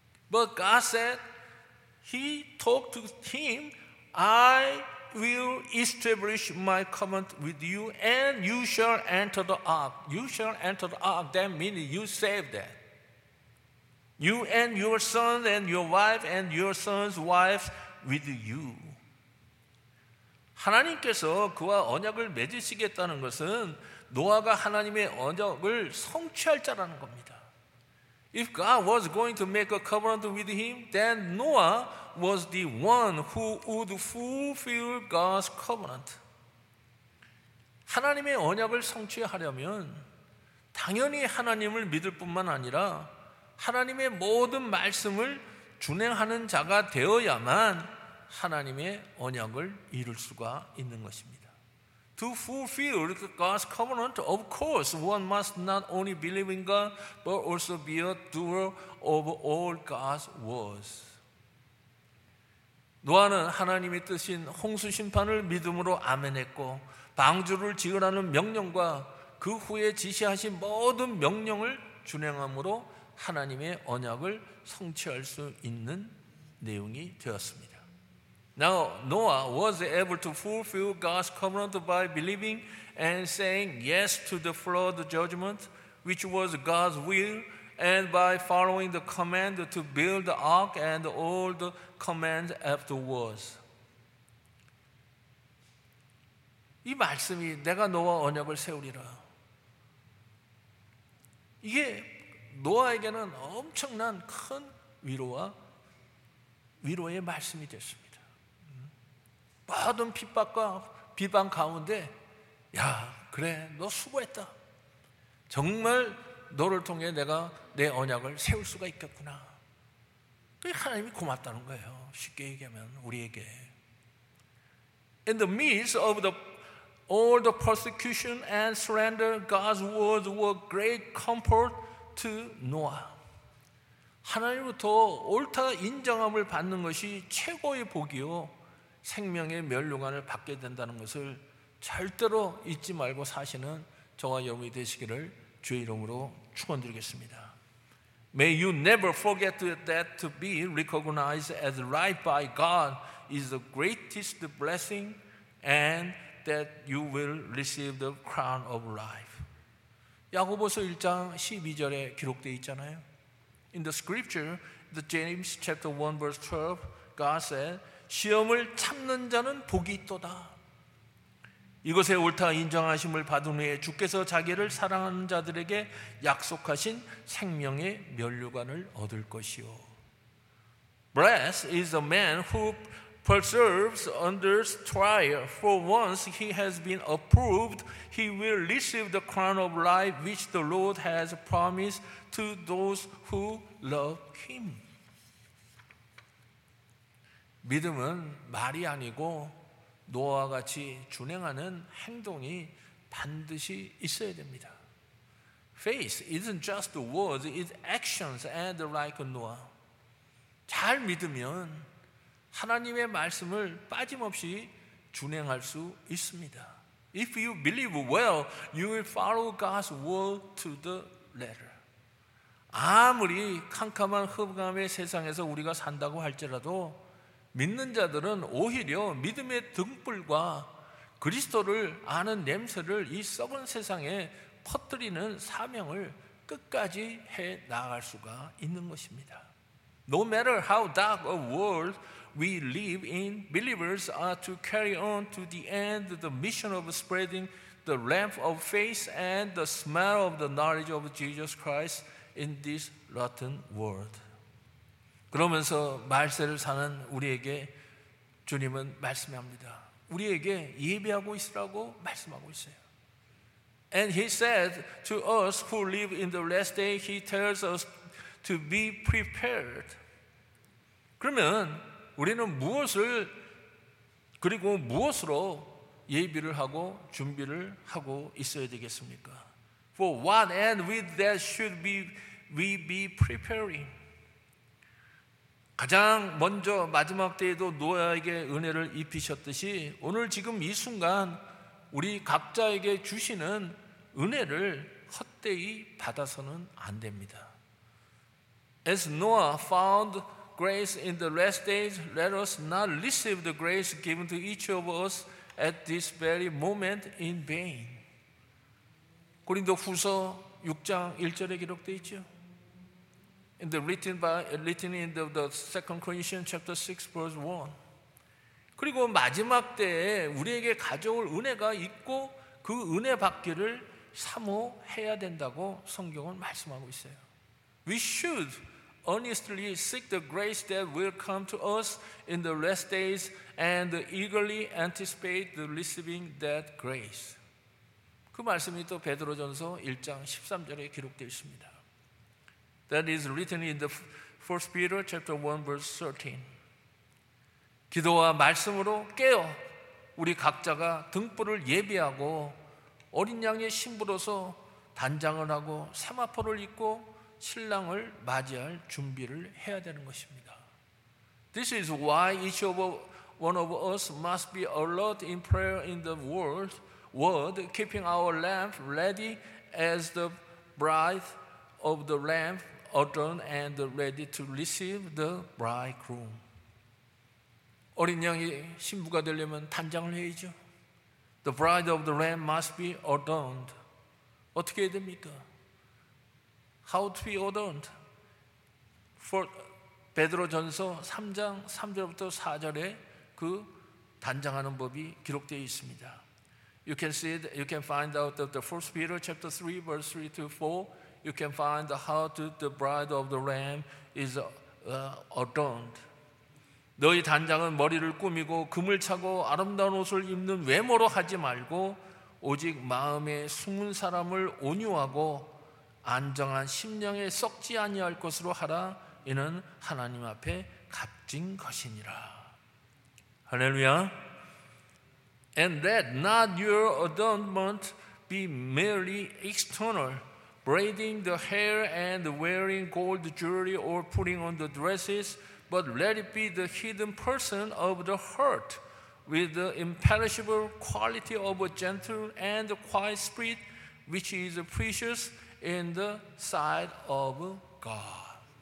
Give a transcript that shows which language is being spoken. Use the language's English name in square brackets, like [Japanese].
[English] But God said, He talked to him, I will establish my covenant with you, and you shall enter the ark. You shall enter the ark. That means you save that. You and your sons and your wife and your sons' wives with you. [Korean] 하나님께서 그와 언약을 맺으시겠다는 것은 노아가 하나님의 언약을 성취할 자라는 겁니다. [English] If God was going to make a covenant with him, then Noah was the one who would fulfill God's covenant. [Korean] 하나님의 언약을 성취하려면 당연히 하나님을 믿을 뿐만 아니라 하나님의 모든 말씀을 준행하는 자가 되어야만 하나님의 언약을 이룰 수가 있는 것입니다. [English] To fulfill God's covenant, of course, one must not only believe in God, but also be a doer of all God's words. [Korean] 노아는 하나님의 뜻인 홍수 심판을 믿음으로 아멘했고, 방주를 지으라는 명령과 그 후에 지시하신 모든 명령을 준행함으로 하나님의 언약을 성취할 수 있는 내용이 되었습니다. [English] Now Noah was able to fulfill God's covenant by believing and saying yes to the flood judgment, which was God's will, and by following the command to build the ark and all the commands afterwards. [Korean] 이 말씀이 내가 노아 언약을 세우리라. 이게 노아에게는 엄청난 큰 위로의 말씀이 됐습니다. 모든 핍박과 비방 가운데 야 그래 너 수고했다. 정말 너를 통해 내가 내 언약을 세울 수가 있겠구나. 하나님이 고맙다는 거예요. 쉽게 얘기하면 우리에게. [English] In the midst of the all the persecution and slander, God's words were great comfort to Noah. [Korean] 하나님부터 옳다 인정함을 받는 것이 최고의 복이요 생명의 면류관을 받게 된다는 것을 절대로 잊지 말고 사시는 저와 여러분이 되시기를 주의 이름으로 축원드리겠습니다. [English] May you never forget that to be recognized as right by God is the greatest blessing and that you will receive the crown of life. [Korean] 야고보서 1장 12절에 기록되어 있잖아요. [English] In the scripture, the James chapter 1 verse 12, God said, [Korean] 시험을 참는 자는 복이 있도다. 이것에 옳다 인정하심을 받은 후에 주께서 자기를 사랑하는 자들에게 약속하신 생명의 면류관을 얻을 것이요. [English] Blessed is the man who preserves under trial, for once he has been approved, he will receive the crown of life which the Lord has promised to those who love him. [Korean] 믿음은 말이 아니고 노아와 같이 준행하는 행동이 반드시 있어야 됩니다. [English] Faith isn't just words, it's actions and like Noah. [Korean] 잘 믿으면 하나님의 말씀을 빠짐없이 준행할 수 있습니다. [English] If you believe well, you will follow God's word to the letter. [Korean] 아무리 캄캄한 흑암의 세상에서 우리가 산다고 할지라도 믿는 자들은 오히려 믿음의 등불과 그리스도를 아는 냄새를 이 썩은 세상에 퍼뜨리는 사명을 끝까지 해나갈 수가 있는 것입니다. [English] No matter how dark a world we live in, believers are to carry on to the end the mission of spreading the lamp of faith and the smell of the knowledge of Jesus Christ in this rotten world. [Korean] 그러면서 말세를 사는 우리에게 주님은 말씀합니다. 우리에게 예비하고 있으라고 말씀하고 있어요. [English] And he said to us who live in the last day, he tells us to be prepared. [Korean] 그러면 우리는 무엇을 그리고 무엇으로 예비를 하고 준비를 하고 있어야 되겠습니까? [English] For what and with that should we be preparing? [Korean] 가장 먼저 마지막 때에도 노아에게 은혜를 입히셨듯이 오늘 지금 이 순간 우리 각자에게 주시는 은혜를 헛되이 받아서는 안 됩니다. [English] As Noah found grace in the last days, let us not receive the grace given to each of us at this very moment in vain. [Korean] 고린도 후서 6장 1절에 기록되어 있죠. [English] In the written in the Second Corinthians chapter 6 verse 1. [Korean] 그리고 마지막 때에 우리에게 가져올 은혜가 있고 그 은혜 받기를 사모해야 된다고 성경은 말씀하고 있어요. [English] We should earnestly seek the grace that will come to us in the last days and eagerly anticipate the receiving that grace. [Korean] 그 말씀이 또 베드로전서 1장 13절에 기록되어 있습니다. [English] That is written in the 1 Peter chapter 1 verse 13. [Korean] 기도와 말씀으로 깨어 우리 각자가 등불을 예비하고 어린 양의 신부로서 단장을 하고 세마포를 입고 신랑을 맞이할 준비를 해야 되는 것입니다. [English] This is why each of one of us must be alert in prayer in the word, keeping our lamp ready as the bride of the lamb adorned and ready to receive the bridegroom. [Korean] 어린 양의 신부가 되려면 단장을 해야죠. [English] The bride of the lamb must be adorned. [Korean] 어떻게 해야 됩니까? [English] How to be adorned? [Korean] For 베드로 전서 3장 3절부터 4절에 그 단장하는 법이 기록되어 있습니다. [English] You can see, it, you can find out of the 1 Peter chapter 3, verse 3 to 4. You can find how to, the bride of the lamb is adorned. [Korean] 너희 단장은 머리를 꾸미고 금을 차고 아름다운 옷을 입는 외모로 하지 말고 오직 마음에 숨은 사람을 온유하고 안정한 심령에 썩지 아니할 것으로 하라. 이는 하나님 앞에 값진 것이니라. 할렐루야. [English] And let not your adornment be merely external, braiding the hair and wearing gold jewelry or putting on the dresses, but let it be the hidden person of the heart with the imperishable quality of a gentle and quiet spirit which is precious in the sight of God.